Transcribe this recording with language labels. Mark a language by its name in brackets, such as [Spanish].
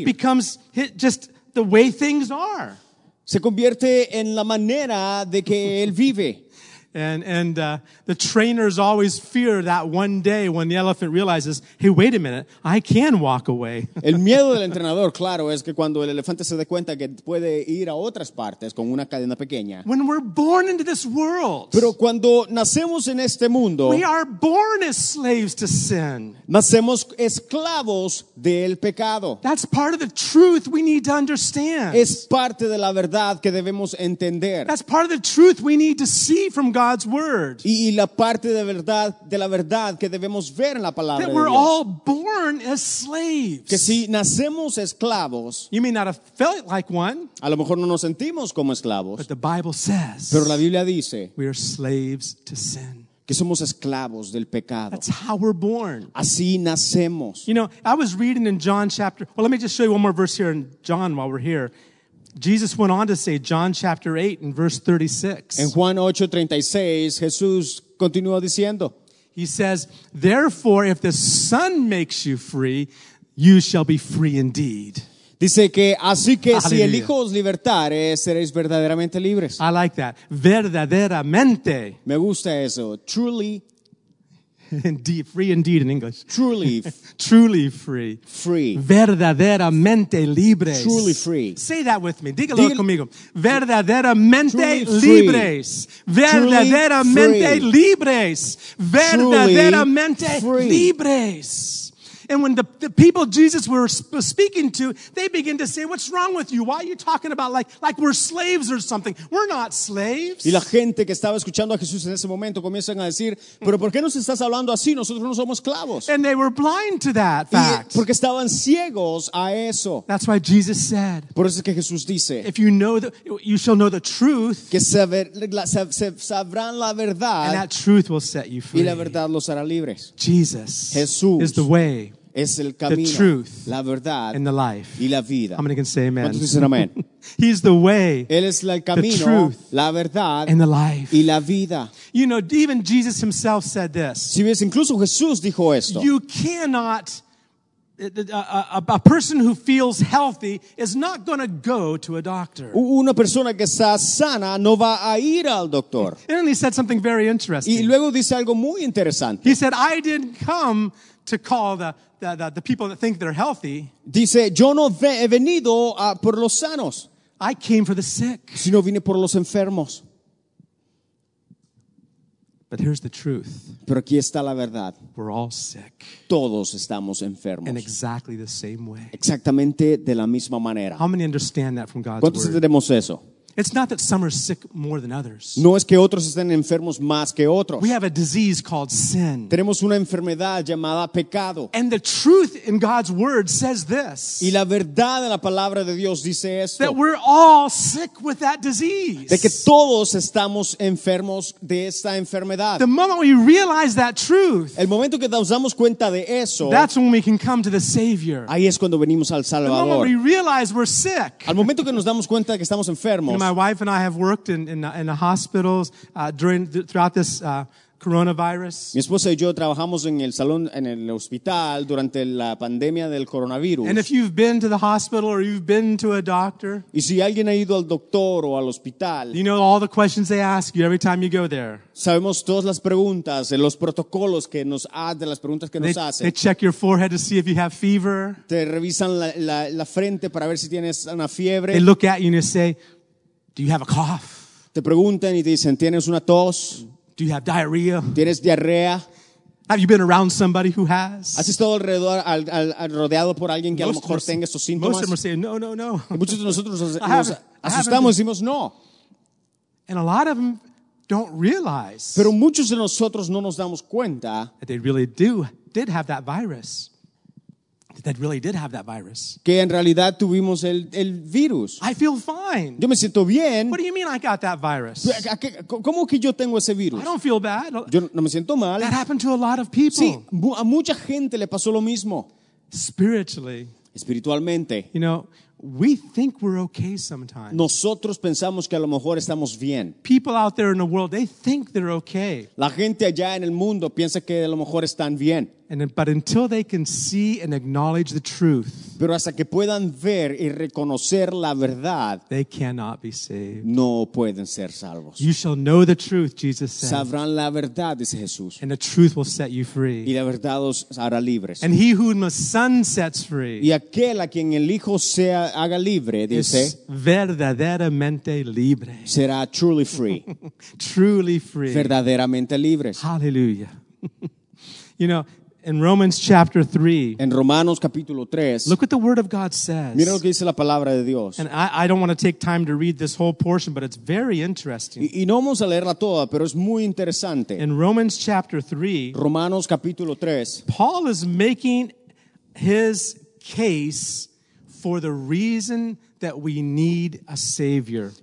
[English] It becomes just the way things are. [Spanish] Se convierte en la manera de que él vive. [English] And the trainers always fear that one day when the elephant realizes, hey, wait a minute, I can walk away. [Spanish] El miedo del entrenador, claro, es que cuando el elefante se dé cuenta que puede ir a otras partes con una cadena pequeña. [English] When we're born into this world. [Spanish] Pero cuando nacemos en este mundo. [English] We are born as slaves to sin. [Spanish] Nacemos esclavos del pecado. [English] That's part of the truth we need to understand. [Spanish] Es parte de la verdad que debemos entender. [English] That's part of the truth we need to see from God's word. [Spanish] Y la parte de la verdad que debemos ver en la palabra de Dios. [English] That we're all born as slaves. [Spanish] Que si nacemos esclavos. [English] You may not have felt like one. [Spanish] A lo mejor no nos sentimos como esclavos. [English] But the Bible says. [Spanish] Pero la Biblia dice. [English] We are slaves to sin. [Spanish] Que somos esclavos del pecado. [English] That's how we're born. [Spanish] Así nacemos. [English] You know, I was reading in John chapter. Well, let me just show you one more verse here in John while we're here. Jesus went on to say, John chapter 8 and verse 36. [Spanish] En Juan 8:36, Jesús continuó diciendo. [English] He says, therefore, if the Son makes you free, you shall be free indeed. [Spanish] Dice que, así que si el Hijo os libertare, seréis verdaderamente libres. [English] I like that. [Spanish] Verdaderamente. Me gusta eso. [English] Truly. Indeed, free indeed in English. Truly. Truly free. Free. [Spanish] Verdaderamente libres. [English] Truly free. Say that with me. [Spanish] Dígalo conmigo. Verdaderamente libres. Verdaderamente libres. Verdaderamente libres. [English] And when the people Jesus were speaking to, they begin to say, what's wrong with you? Why are you talking about like we're slaves or something? We're not slaves. [Spanish] Y la gente que estaba escuchando a Jesús en ese momento comienzan a decir, pero ¿por qué nos estás hablando así? Nosotros no somos esclavos. [English] And they were blind to that fact. [Spanish] Y porque estaban ciegos a eso. [English] That's why Jesus said, [Spanish] por eso es que Jesús dice, [English] if you know the, you shall know the truth, [Spanish] que sabrán la verdad, [English] and that truth will set you free. [Spanish] Y la verdad los hará libres. [English] Jesus, [Spanish] Jesús, [English] is the way. [Spanish] Es el camino, [English] the truth, [Spanish] la verdad, [English] and the life. [Spanish] Y la vida. [English] How many can say amen? [Spanish] ¿Cuántos dicen amén? [English] He's the way, [Spanish] él es el camino, [English] the truth, [Spanish] la verdad, [English] and the life. [Spanish] Y la vida. [English] You know, even Jesus himself said this. [Spanish] Si ves, incluso Jesús dijo esto. [English] You cannot, a person who feels healthy is not going to go to a doctor. [Spanish] Una persona que está sana no va a ir al doctor. [English] And then he said something very interesting. [Spanish] Y luego dice algo muy interesante. [English] He said, I didn't come to call the people that think they're healthy. [Spanish] Dice, yo no he venido por los sanos. [English] I came for the sick. [Spanish] Sino vine por los enfermos. [English] But here's the truth. [Spanish] Pero aquí está la verdad. [English] We're all sick. [Spanish] Todos estamos enfermos. [English] In exactly the same way. [Spanish] Exactamente de la misma manera. [English] How many understand that from God's [Spanish] ¿cuántos [English] word? [Spanish] ¿Cuántos entendemos eso? [English] It's not that some are sick more than others. [Spanish] No es que otros estén enfermos más que otros. [English] We have a disease called sin. [Spanish] Tenemos una enfermedad llamada pecado. [English] And the truth in God's word says this. [Spanish] Y la verdad de la palabra de Dios dice esto. [English] That we're all sick with that disease. [Spanish] De que todos estamos enfermos de esta enfermedad. [English] The moment we realize that truth. [Spanish] El momento que nos damos cuenta de eso. [English] That's when we can come to the Savior. [Spanish] Ahí es cuando venimos al Salvador. [English] The moment we realize we're sick. [Spanish] Al momento que nos damos cuenta de que estamos enfermos. [English] You know, my wife and I have worked in the hospitals throughout this coronavirus. [Spanish] Mi esposa y yo trabajamos en el salón en el hospital durante la pandemia del coronavirus. [English] And if you've been to the hospital or you've been to a doctor, [Spanish] y si alguien ha ido al doctor o al hospital, [English] you know all the questions they ask you every time you go there. [Spanish] Sabemos todas las preguntas, los protocolos que nos hacen, las preguntas que nos hacen. [English] They check your forehead to see if you have fever. [Spanish] Te revisan la frente para ver si tienes una fiebre. [English] They look at you and they say, do you have a cough? [Spanish] Te preguntan y te dicen, ¿tienes una tos? [English] Do you have diarrhea? [Spanish] ¿Tienes diarrea? [English] Have you been around somebody who has? [Spanish] ¿Has estado alrededor rodeado por alguien que a lo mejor tenga estos síntomas? [English] Most of them are saying, no. [Spanish] Y muchos de nosotros nos asustamos y decimos no. [English] And a lot of them don't realize. [Spanish] Pero muchos de nosotros no nos damos cuenta [English] that they really did have that virus. That really did have that virus. [Spanish] Que en realidad tuvimos el virus. [English] I feel fine. [Spanish] Yo me siento bien. [English] What do you mean I got that virus? [Spanish] ¿Cómo que yo tengo ese virus? [English] I don't feel bad. [Spanish] Yo no me siento mal. [English] That happened to a lot of people. [Spanish] Sí, a mucha gente le pasó lo mismo. [English] Spiritually. [Spanish] Espiritualmente. [English] You know, We think we're okay sometimes. [Spanish] Nosotros pensamos que a lo mejor estamos bien. [English] People out there in the world, they think they're okay. [Spanish] La gente allá en el mundo piensa que a lo mejor están bien. [English] But until they can see and acknowledge the truth, [Spanish] pero hasta que puedan ver y reconocer la verdad, [English] they cannot be saved. [Spanish] No pueden ser salvos. [English] You shall know the truth, Jesus said. [Spanish] Sabrán la verdad, dice Jesús. [English] And the truth will set you free. [Spanish] Y la verdad os hará libres. [English] And he whom the Son sets free, [Spanish] y aquel a quien el Hijo sea haga libre, dice, es verdaderamente libre. Será [English] truly free. Truly free. [Spanish] Verdaderamente libres. [English] Hallelujah. You know, in Romans chapter 3. [Spanish] En Romanos capítulo 3. [English] Look what the word of God says. [Spanish] Mira lo que dice la palabra de Dios. [English] And I don't want to take time to read this whole portion, but it's very interesting. [Spanish] Y no vamos a leerla toda, pero es muy interesante. [English] In Romans chapter 3. [Spanish] Romanos capítulo 3. [English] Paul is making his case for the reason that we need a savior.